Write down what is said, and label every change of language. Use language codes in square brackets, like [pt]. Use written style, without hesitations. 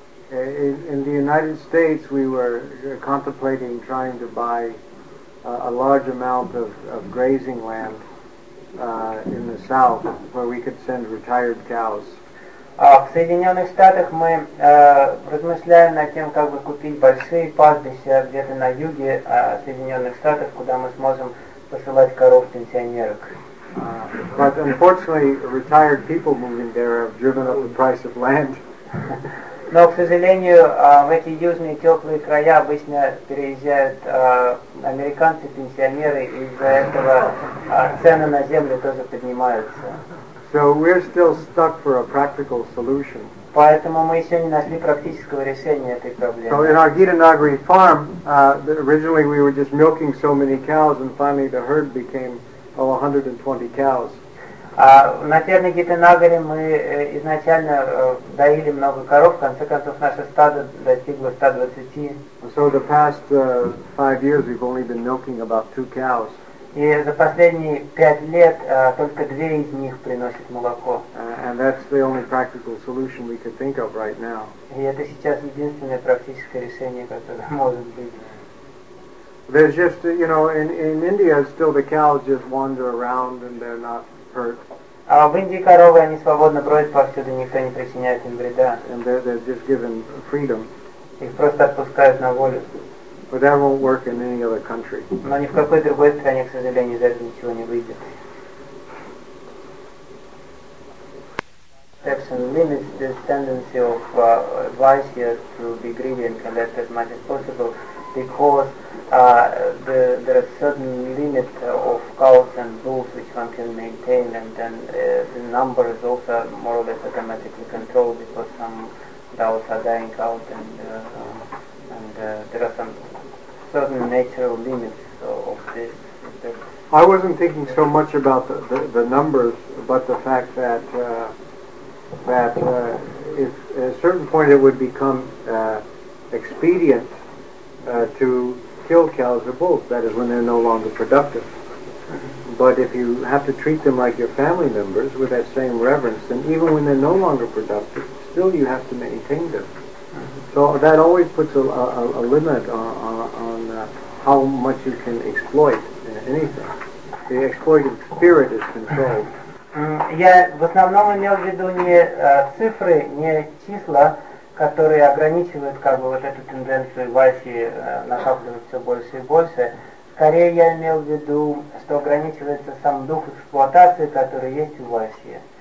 [en] In the United States, we were contemplating trying to buy a large amount of grazing land in the South, where we could send retired cows. [ru] В Соединенных Штатах мы размышляем над тем, как бы купить большие пастбища где-то на юге Соединенных Штатов, куда мы сможем посылать коров пенсионерок. [en] But unfortunately, retired people moving there have driven up the price of land. [ru] Но, к сожалению, в эти южные теплые края обычно переезжают американцы, пенсионеры, и из-за этого цены на землю тоже поднимаются. [en] So we're still stuck for a practical solution. [ru] Поэтому мы еще не нашли практического решения этой проблемы. [en] So in our Gitanagari farm, originally we were just milking so many cows, and finally the herd became 120 cows. [ru] На ферме Гитанагари мы изначально доили много коров, в конце концов наше стадо достигло 120. [en] So the past 5 years we've only been milking about 2 cows. [ru] И за последние 5 лет только 2 из них приносят молоко. [en] And that's the only practical solution we could think of right now. [ru] И это сейчас единственное практическое решение, которое может быть. [en] There's just, you know, in India still the cows just wander around and they're not hurt. [ru] В Индии коровы, они свободно бродят повсюду, никто не причиняет им вреда. [en] And they're just given freedom. [ru] Их просто отпускают на волю. [en] But that won't work in any other country. [ru] Но ни в какой другой стране, к сожалению, из этого ничего не выйдет. [en] Protection limits this tendency of advice here to be greedy and collect as much as possible, because there are certain limits of cows and bulls which one can maintain, and then the number is also more or less automatically controlled, because some cows are dying out, and there are some certain natural limits of this. I wasn't thinking so much about the numbers, but the fact that if at a certain point it would become expedient to kill cows or bulls, that is when they're no longer productive. But if you have to treat them like your family members with that same reverence, then even when they're no longer productive, still you have to maintain them. So that always puts a limit on how much you can exploit anything. The exploitive spirit is controlled. [ru] Я в основном имел в виду не цифры, не числа, которые ограничивают как бы вот эту тенденцию Васи накапливать все больше и больше. Скорее я имел в виду, что ограничивается сам дух эксплуатации, который есть у Васи.